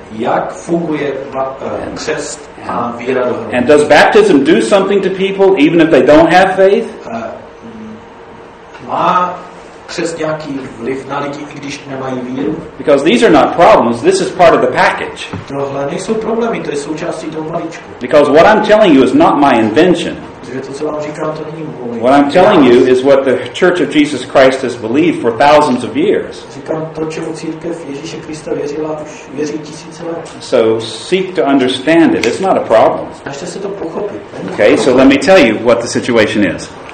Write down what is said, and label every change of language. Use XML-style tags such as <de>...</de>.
<en>And does baptism do something to people even if they don't have faith?</en> <cs>Má křest nějaký vliv na lidi, i když nemají víru?</cs> <en>Because these are not problems, this is part of the package.</en> <cs>Tohle nejsou problémy, to je součástí toho balíčku.</cs> <en>Because what I'm telling you is not my invention.</en> <cs>To, co vám říkám, to není můj.</cs> <en>What I'm telling you is what the Church of Jesus Christ has believed for thousands of years.</en> <cs>Říkám to, čemu církev Ježíše Krista věřila už věří tisíce let.</cs> <en>So seek to understand it, it's not a problem.</en> <cs>Snažte se to pochopit.</cs> <en>Okay, so let me tell you what the situation is.</en>